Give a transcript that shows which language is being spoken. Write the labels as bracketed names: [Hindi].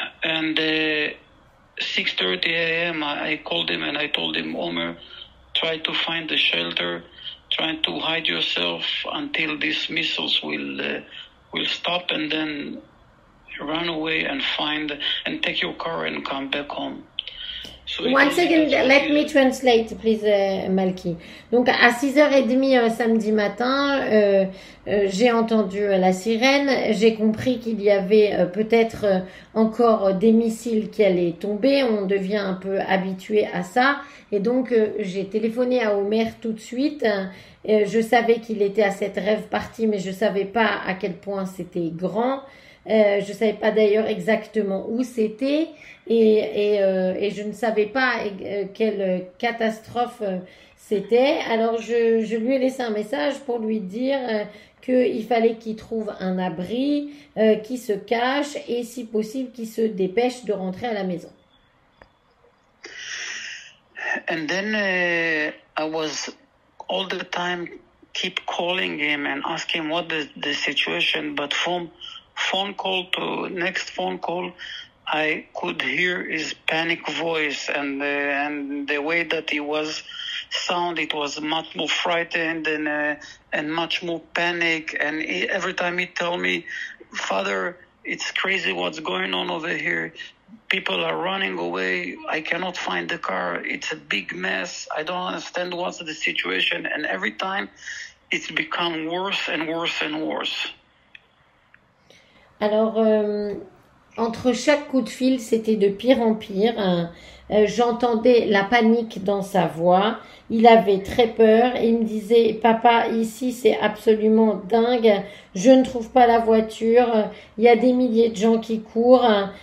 [English] And 6:30 a.m. I called him and I told him, Omer, try to find the shelter. Trying to hide yourself until these missiles will stop, and then run away and find and take your car and come back home. So one second, let me translate, please, Malki. [French] Donc à 6h30 samedi matin, j'ai entendu la sirène. J'ai compris qu'il y avait peut-être encore des missiles qui allaient tomber. On devient un peu habitué à ça. Et donc j'ai téléphoné à Omer tout de suite. Je savais qu'il était à cette rêve partie, mais je savais pas à quel point c'était grand. Je savais pas d'ailleurs exactement où c'était et je ne savais pas quelle catastrophe c'était. Alors je lui ai laissé un message pour lui dire qu'il fallait qu'il trouve un abri, qu'il se cache et si possible qu'il se dépêche de rentrer à la maison. [English] And then I was all the time keep calling him and asking what is the situation, but from phone call to next phone call, I could hear his panic voice and the way that he was sound. It was much more frightened and much more panic. And he, every time he tell me, Father, it's crazy what's going on over here. People are running away. I cannot find the car. It's a big mess. I don't understand what's the situation. And every time, it's become worse and worse and worse. [French] Alors, entre chaque coup de fil, c'était de pire en pire. J'entendais la panique dans sa voix. Il avait très peur. Il me disait, papa, ici, c'est absolument dingue. Je ne trouve pas la voiture. Il y a des milliers de gens qui courent.